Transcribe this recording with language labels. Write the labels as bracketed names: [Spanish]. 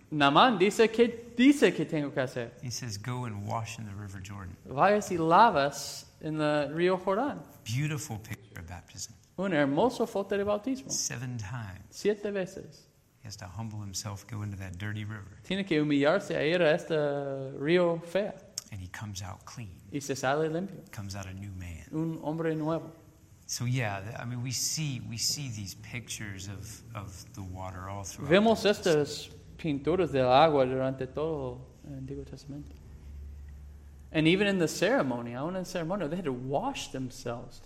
[Spanish] Naaman dice que tengo que hacer. [English] He says, go and wash in the River Jordan. [Spanish] Vayas y lavas en el río Jordán. [English] Beautiful picture of baptism. [Spanish] Un hermoso foto de bautismo. [English] Seven times. [Spanish] Siete veces. [English] He has to humble himself, go into that dirty river. [Spanish] Tiene que humillarse a ir a este río feo. [English] And he comes out clean. [Spanish] Y se sale limpio. [English] Comes out a new man. [Spanish] Un hombre nuevo. [English] So yeah, I mean, we see these pictures of the water all throughout. [Spanish] Vemos estas pinturas del agua durante todo el Antiguo Testamento. [English] And even in the ceremony, [Spanish] aún en ceremonia, [English] they had to wash themselves.